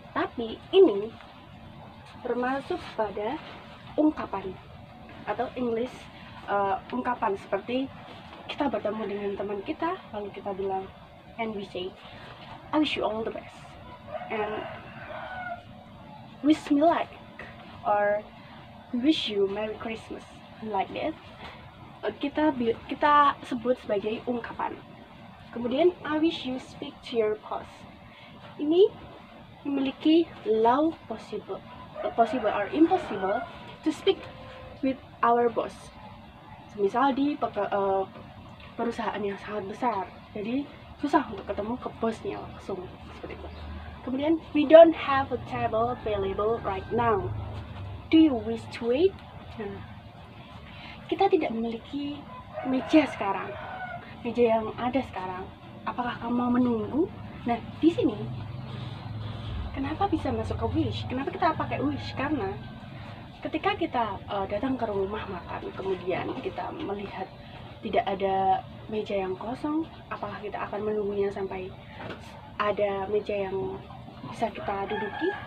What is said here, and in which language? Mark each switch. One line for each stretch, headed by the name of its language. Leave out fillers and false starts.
Indonesian: Tapi ini termasuk pada ungkapan atau English ungkapan, seperti kita bertemu dengan teman kita lalu kita bilang
English: and we say I wish you all the best and wish me luck or wish you Merry Christmas, like that.
Indonesian: Kita sebut sebagai ungkapan. Kemudian
English: I wish you speak to your boss.
Indonesian: Ini memiliki
English: low possible or impossible to speak with our boss.
Indonesian: Misal di perusahaan yang sangat besar, jadi susah untuk ketemu ke bosnya langsung seperti itu. Kemudian
English: we don't have a table available right now. Do you wish to wait?
Indonesian: Kita tidak memiliki meja sekarang. Meja yang ada sekarang. Apakah kamu mau menunggu? Nah, di sini kenapa bisa masuk ke wish? Kenapa kita pakai wish? Karena ketika kita datang ke rumah makan, kemudian kita melihat tidak ada meja yang kosong, apakah kita akan menunggunya sampai ada meja yang bisa kita duduki?